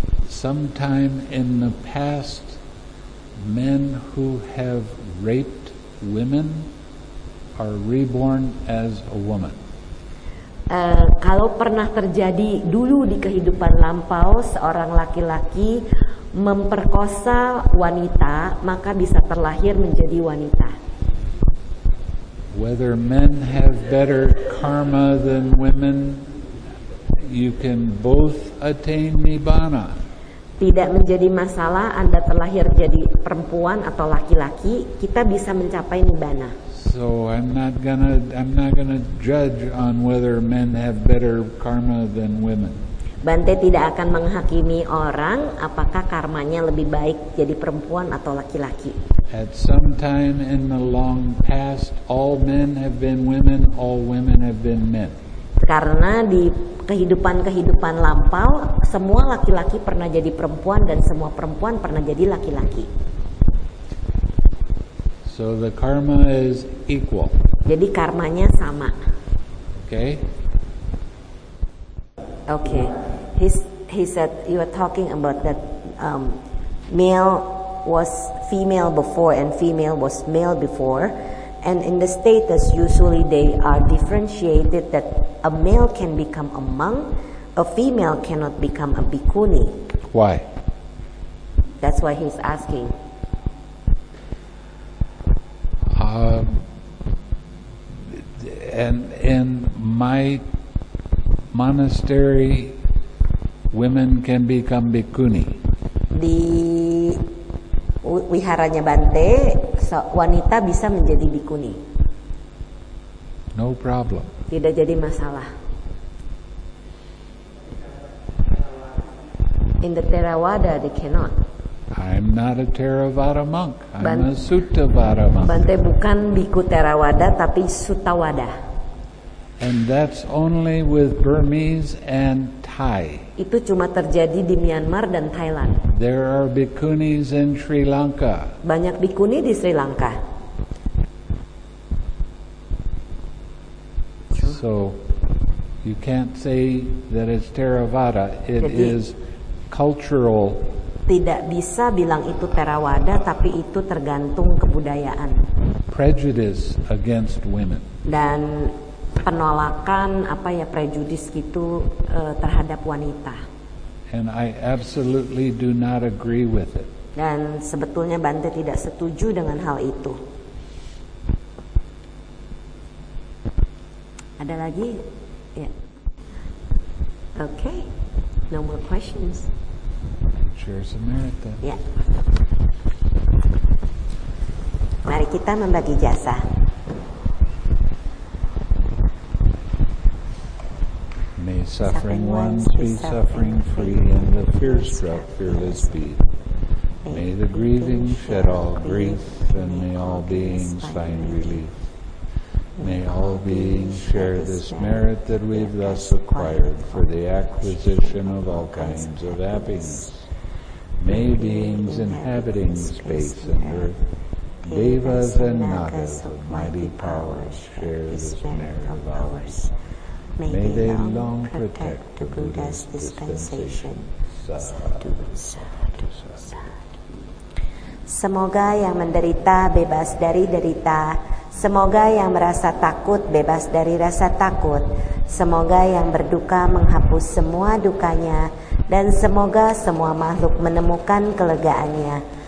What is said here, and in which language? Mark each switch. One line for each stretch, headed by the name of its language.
English: Sometime in the past, men who have raped women are reborn as a woman.
Indonesian: Kalau pernah terjadi dulu di kehidupan lampau, seorang laki-laki memperkosa wanita, maka bisa terlahir menjadi wanita.
English: Whether men have better karma than women, you can both attain nibbana.
Indonesian: Tidak menjadi masalah Anda terlahir jadi perempuan atau laki-laki, kita bisa mencapai nibbana.
English: So I'm not gonna judge on whether men have better karma than women.
Indonesian: Bante tidak akan menghakimi orang apakah karmanya lebih baik jadi perempuan atau laki-laki.
English: At some time in the long past, all men have been women, all women have been men.
Indonesian: Karena di kehidupan-kehidupan lampau, semua laki-laki pernah jadi perempuan dan semua perempuan pernah jadi laki-laki.
English: So the karma is equal.
Indonesian: Jadi karmanya sama.
English: Okay. Okay. He said you were talking about that male was female before and female was male before, and in the status usually they are differentiated that a male can become a monk, a female cannot become a bhikkhuni. Why? That's why he's asking. And in my monastery, women can become bhikkhuni.
Indonesian: Di wiharanya Bante, wanita bisa menjadi bhikkhuni.
English: No problem.
Indonesian: Tidak jadi masalah.
English: In the Theravada, they cannot. I'm not a Theravada monk. I'm a Suttavada monk.
Indonesian: Bante bukan bhikkhu Theravada, tapi Suttavada.
English: And that's only with Burmese and Thai.
Indonesian: Itu cuma terjadi di Myanmar dan Thailand.
English: There are bhikkhunis in Sri Lanka.
Indonesian: Banyak bhikkhuni di Sri Lanka.
English: So you can't say that it's Theravada. It
Indonesian: Jadi,
English: is cultural.
Indonesian: Tidak bisa bilang itu Theravada, tapi itu tergantung kebudayaan.
English: Prejudice against women.
Indonesian: Dan penolakan apa ya prejudis gitu terhadap wanita.
English: And I absolutely do not agree with it.
Indonesian: Dan sebetulnya Bante tidak setuju dengan hal itu. Ada lagi? Ya.
English: Yeah. Okay. No more questions. Share some merit then.
Indonesian: Ya. Mari kita membagi jasa.
English: May suffering ones be suffering free, and the fear struck fearless be. May the grieving shed all grief, and may all beings find relief. May all beings share this merit that we've thus acquired for the acquisition of all kinds of happiness. May beings inhabiting space and earth, devas and nagas of mighty powers, share this merit of ours. May they long protect the Buddha's dispensation.
Pali: Sadhu, sadhu, sadhu.
Indonesian: Semoga yang menderita bebas dari derita. Semoga yang merasa takut bebas dari rasa takut. Semoga yang berduka menghapus semua dukanya. Dan semoga semua makhluk menemukan kelegaannya.